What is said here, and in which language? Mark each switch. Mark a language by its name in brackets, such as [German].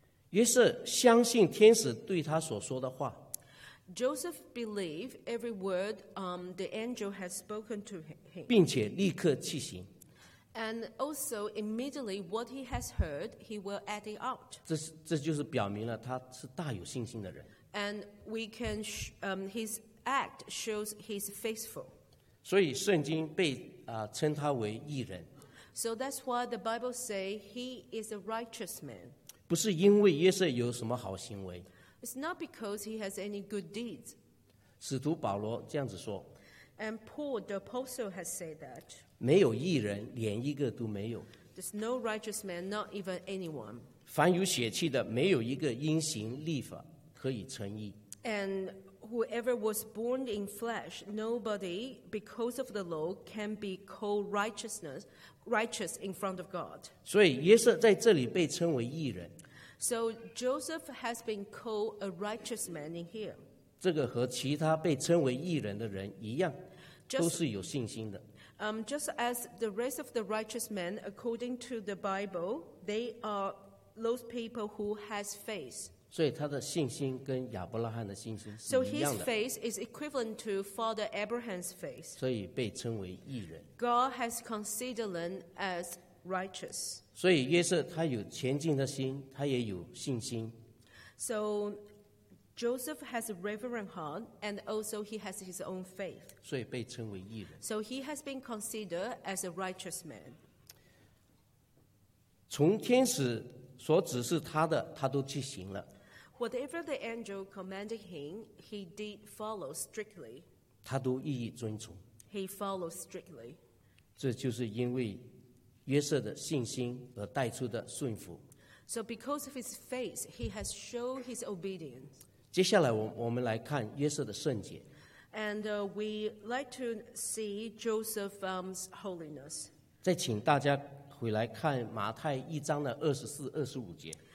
[Chinese] 约瑟相信天使对他所说的话。 [English] Joseph believed every word the angel had spoken to him. [Chinese] 并且立刻弃行。 [English] And also immediately what he has heard, he will act it out. [Chinese] 这就是表明了他是大有信心的人。 [English] And we can his act shows he's faithful. [Chinese] 所以圣经被称他为义人。 [English] So that's why the Bible says he is a righteous man. [Chinese] 不是因为约瑟有什么好行为。 [English] It's not because he has any good deeds. [Chinese] 使徒保罗这样子说。 [English] And Paul the apostle has said that. [Chinese] 没有义人，连一个都没有。 [English] There's no righteous man, not even anyone. [Chinese] 凡有血气的，没有一个因行立法可以称义。 [English] And whoever was born in flesh, nobody because of the law can be called righteous in front of God. [Chinese] 所以约瑟在这里被称为义人。 [English] So Joseph has been called a righteous man in here. [Chinese] 这个和其他被称为义人的人一样，都是有信心的。 [English] Just as the rest of the righteous men, according to the Bible, they are those people who has faith. [Chinese] 所以他的信心跟亚伯拉罕的信心是一样的。 [English] So his faith is equivalent to Father Abraham's faith. [Chinese] 所以被称为义人。 [English] God has considered them as righteous. [Chinese] 所以约瑟他有前进的心，他也有信心。 [English] So Joseph has a reverent heart, and also he has his own faith. [Chinese] 所以被称为义人。 [English] So he has been considered as a righteous man. [Chinese] 从天使所指示他的，他都去行了。 [English] Whatever the angel commanded him, he did follow strictly. [Chinese] 他都一一遵从。 [English] He followed strictly. [Chinese] 这就是因为约瑟的信心而带出的顺服。 [English] So because of his faith, he has shown his obedience. [Chinese] 接下来我们来看约瑟的圣洁。 [English] And we like to see Joseph's holiness. [Chinese] 再请大家回来看马太一章的24-25节。